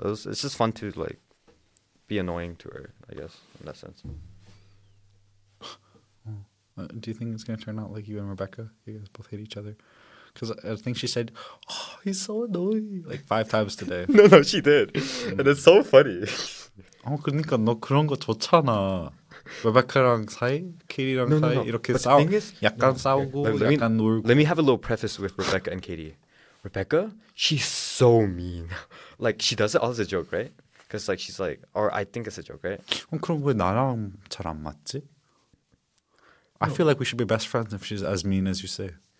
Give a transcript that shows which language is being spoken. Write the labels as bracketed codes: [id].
[en] It's just fun to like be annoying to her, I guess, in that sense. Do you think it's gonna turn out like you and Rebecca? You guys both hate each other. Because I think she said, oh, he's so annoying, like 5 times today. No, she did. And it's so funny. [ko] 그러니까 너 그런 거 좋잖아. 로베카랑 사이, 케이디랑 사이, 이렇게 약간 싸우고, 약간 놀고. [en] Let me have a little preface with Rebecca and Katie. Rebecca, she's so mean. Like, she does it all as a joke, right? Because, like, she's like, or I think it's a joke, right? [ko] 그럼 왜 나랑 잘 안 맞지? [en] I feel like we should be best friends if she's as mean as you say.